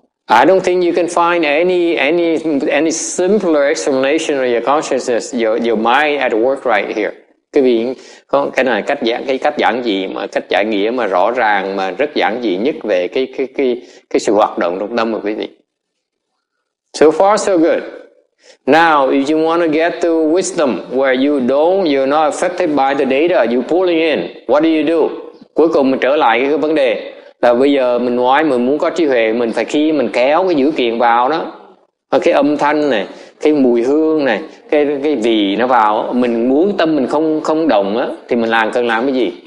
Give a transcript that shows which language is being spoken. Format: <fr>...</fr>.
<en>I don't think you can find any simpler explanation of your consciousness, your mind at work right here.</en> <vi>Cái vì cái này cách giải nghĩa mà rõ ràng mà rất giản dị nhất về cái sự hoạt động trong tâm của quý vị.</vi> <en>So far so good. Now, if you want to get to wisdom where you're not affected by the data you pulling in, what do you do?</en> <vi>Cuối cùng mình trở lại cái vấn đề là bây giờ mình nói mình muốn có trí huệ, mình phải khi mình kéo cái dữ kiện vào đó, cái âm thanh này, cái mùi hương này, cái vị nó vào, mình muốn tâm mình không động á, thì mình cần làm cái gì?</vi>